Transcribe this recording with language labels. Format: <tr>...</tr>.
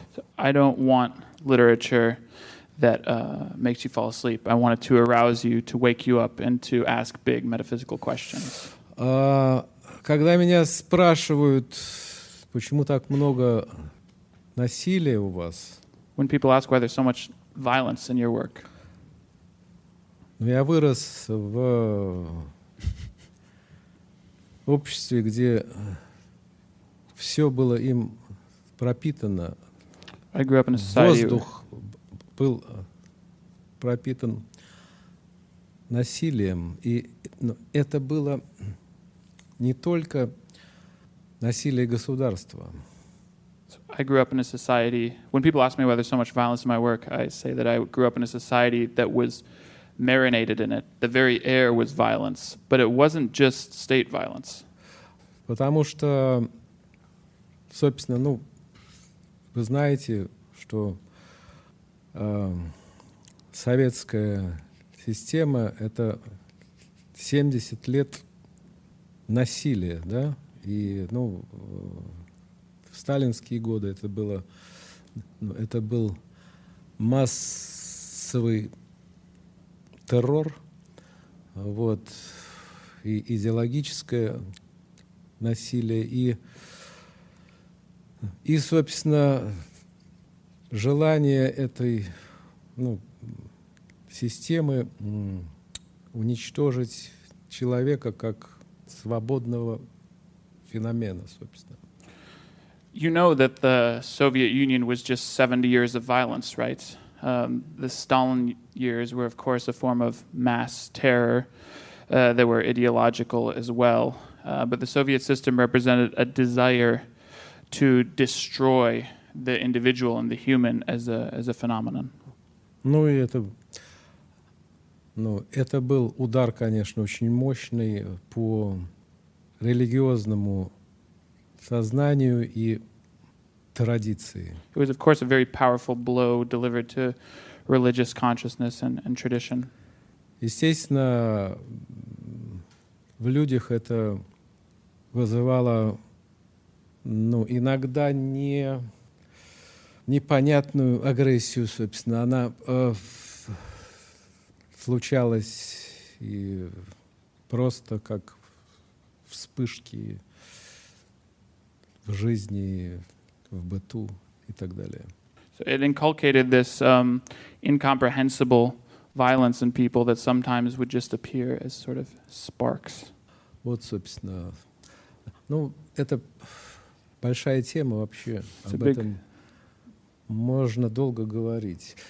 <en>So I don't want literature that makes you fall asleep. I want it to arouse you, to wake you up, and to ask big metaphysical questions.</en> <ru>Когда меня спрашивают, почему так много насилия у вас?</ru> <en>When people ask why there's so much violence in your work.</en> <ru>Ну, я вырос в обществе, где все было им пропитано.</ru> <en>I grew up in a society.</en> <ru>Воздух был пропитан насилием. И это было не только насилие государства.</ru> <en>I grew up in a society, when people ask me why there's so much violence in my work, I say that I grew up in a society that was marinated in it. The very air was violence, but it wasn't just state violence.</en> <ru>Потому что, собственно, ну, вы знаете, что советская система — это 70 лет насилия, да? И, ну... В сталинские годы это было, ну, это был массовый террор, вот, и идеологическое насилие, и собственно, желание этой, ну, системы уничтожить человека как свободного феномена, собственно.</ru> <en>You know that the Soviet Union was just 70 years of violence, right? The Stalin years were, of course, a form of mass terror that were ideological as well. But the Soviet system represented a desire to destroy the individual and the human as a phenomenon.</en> <ru>Ну, это, ну, это был удар, конечно, очень мощный по религиозному сознанию и традиции.</ru> <en>It was, of course, a very powerful blow delivered to religious consciousness and tradition.</en> <ru>Естественно, в людях это вызывало, ну, иногда непонятную агрессию, собственно. Она случалась и просто как вспышки в жизни, в быту и так далее.</ru> <en>So it inculcated this incomprehensible violence in people that sometimes would just appear as sort of sparks.</en> <ru>Вот, собственно, ну, это большая тема вообще.</ru> <en>It's</en> <ru>об</ru> <en>big...</en> <ru>этом можно долго говорить.</ru>